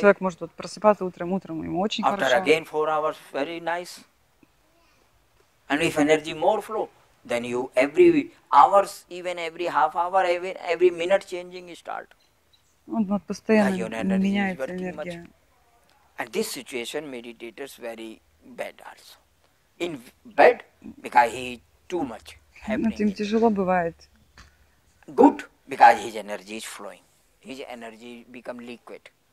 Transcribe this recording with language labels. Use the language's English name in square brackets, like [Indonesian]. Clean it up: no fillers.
[Russian] Человек может вот просыпаться утром, ему очень [English] after [Russian] хорошо. [English] Again four hours very nice. And if energy more flow, then you every hours even every half hour even every minute changing start. [Russian] Вот постоянно меняется энергия. [English] And this situation meditators very bad also. In bad because he too much happening. [Russian] Им тяжело бывает. [English] Good because his energy is flowing. His energy become liquid.